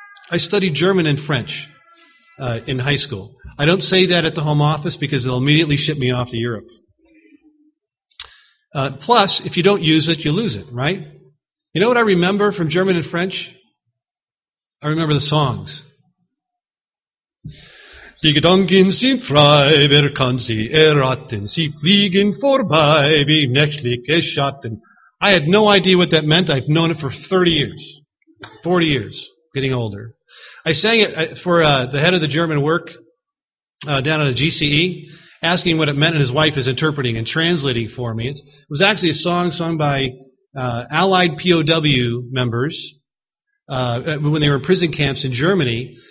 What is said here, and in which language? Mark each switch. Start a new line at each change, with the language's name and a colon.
English: I studied German and French in high school. I don't say that at the home office because they'll immediately ship me off to Europe. Plus, if you don't use it, you lose it, right? You know what I remember from German and French? I remember the songs.
German: Die Gedanken sind frei, wer kann sie erraten? Sie fliegen vorbei, wie nächtliche Schatten.
English: I had no idea what that meant. I've known it for 30 years. 40 years, getting older. I sang it for the head of the German work down at a GCE, asking what it meant, and his wife is interpreting and translating for me. It was actually a song sung by Allied POW members when they were in prison camps in Germany.